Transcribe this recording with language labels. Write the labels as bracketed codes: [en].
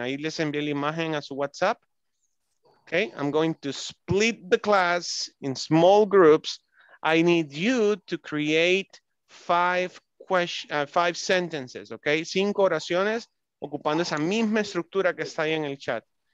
[es] Ahí les envié la imagen a su WhatsApp. [en] Okay, I'm going to split the class in small groups. I need you to create five sentences, okay? [es] 5 oraciones ocupando esa misma estructura que está ahí en el chat.